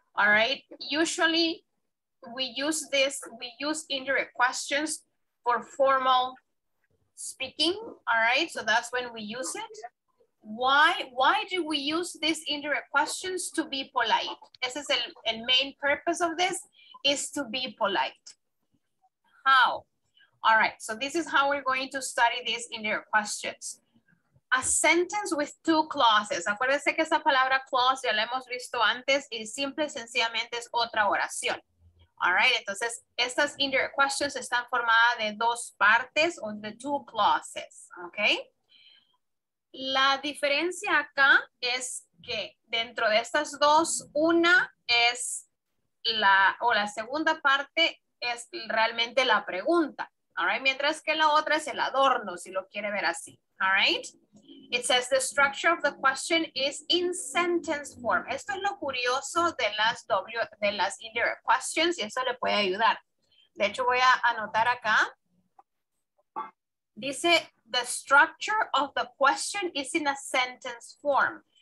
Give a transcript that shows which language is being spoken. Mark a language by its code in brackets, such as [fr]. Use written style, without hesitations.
[en] All right, usually we use indirect questions for formal speaking, all right? So that's when we use it. why do we use these indirect questions to be polite? This is the main purpose of this, is to be polite. How? All right, so this is how we're going to study these indirect questions. A sentence with two clauses. [es] Acuérdense que esa palabra clause ya la hemos visto antes y simple, sencillamente es otra oración. All right, entonces estas indirect questions están formadas de dos partes o de [en] two clauses, [es] okay? La diferencia acá es que dentro de estas dos, una es la, o la segunda parte es realmente la pregunta, all right? Mientras que la otra es el adorno, si lo quiere ver así, all right? [en] It says the structure of the question is in sentence form. [es] Esto es lo curioso de las W, de las indirect questions, y eso le puede ayudar. De hecho, voy a anotar acá. [en] Dice, the structure of the question is in a sentence form.